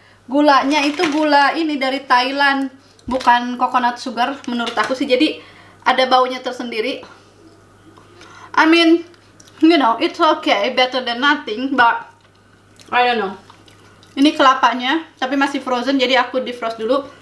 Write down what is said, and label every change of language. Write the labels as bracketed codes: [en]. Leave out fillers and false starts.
[id] Gulanya itu gula ini dari Thailand, bukan coconut sugar menurut aku sih. Jadi ada baunya tersendiri. [en] I mean, you know, it's okay, better than nothing, but I don't know. [id] Ini kelapanya, tapi masih frozen, jadi aku defrost dulu.